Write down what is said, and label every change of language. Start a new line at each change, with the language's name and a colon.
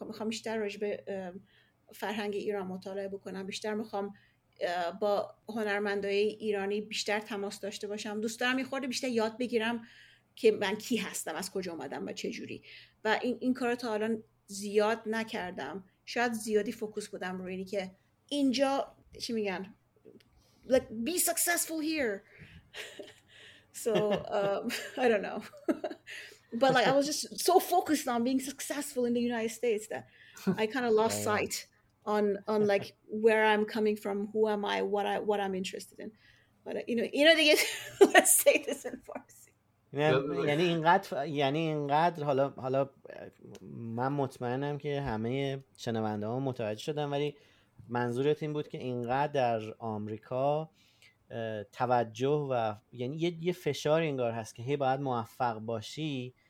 Persian: میخوام بیشتر راجع به فرهنگ ایران مطالعه بکنم، بیشتر میخوام با هنرمندای ایرانی بیشتر تماس داشته باشم، دوست دارم یه خورده بیشتر یاد بگیرم که من کی هستم، از کجا اومدم و چه جوری. و این کارو تا الان زیاد نکردم. شاید زیادی فوکوس بودم روی اینی که اینجا چی میگن،
English: like be successful here. So I don't know. But like I was just so focused on being successful in the United States that I kind of lost sight on like where I'm coming from, who am I, what I'm interested in. But you know they get let's say this in Farsi.
Persian: یعنی اینقدر حالا من مطمئنم که همه شنونده ها متوجه شدن، ولی منظورت این بود که اینقدر در آمریکا توجه و یعنی یه فشار انگار هست که هی باید موفق باشی.